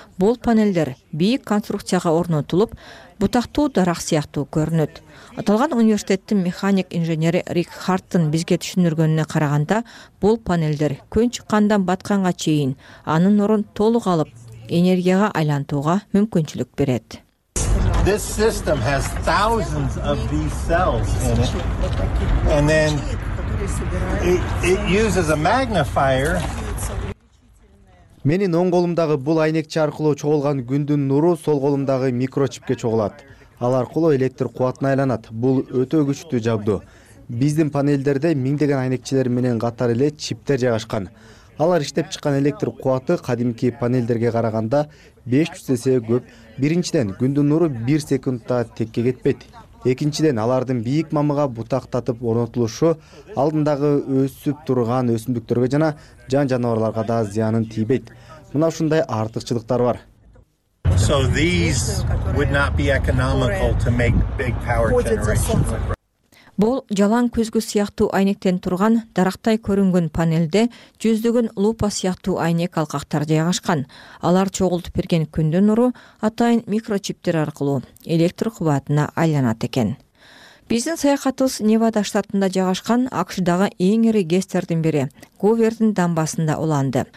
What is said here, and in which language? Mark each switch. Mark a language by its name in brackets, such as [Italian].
[Kyrgyz] Бул панелдер бийик конструкцияга орнотулуп, бутактуу дарак сыяктуу көрүнөт. Аталган университеттин механик инженери Рик Харттын бизге түшүндүргөнүнө караганда, бул панелдер күн чыккандан батканга чейин анын нурун толук алып, энергияга айлантууга мүмкүнчүлүк берет. [English] This system has thousands of these cells in it, and then it uses a magnifier. [Kyrgyz] Менин оң колумдагы бул айнекче аркылуу чогулган күндүн нуру сол колумдагы микрочипке чогулат. Ал аркылуу электр кубатына айланат. Бул өтө күчтүү жабдуу. Биздин панелдерде миңдеген айнекчелер менен катар эле чиптер жайгашкан. Алар иштеп чыккан электр кубаты кадимки панелдерге караганда 500 эсе көп. Биринчиден, күндүн нуру 1 секундта текке кетпейт. Экинчиден, алардын бийик мамыга бутактатып орнотулушу алдындагы өсүп турган өсүмдүктөргө жана жан жаныбарларга да зыянын тийбейт. Мына ушундай артыкчылыктар бар. [English] So these would not be economical to make big power generation. [Kyrgyz] Бул жалаң көзгү сыяктуу айнектен турган дарактай көрүнгөн панелде жүздөгөн лупа сыяктуу айнек алкактар жайгашкан. Алар чогултуп берген күндүн нуру атайын микрочиптер аркылуу электр кубатына айланат экен. Биздин саякатыбыз Невада штатында жайгашкан АКШ-дагы эң ири ГЭС-тердин бири Гувердин дамбасында уланды.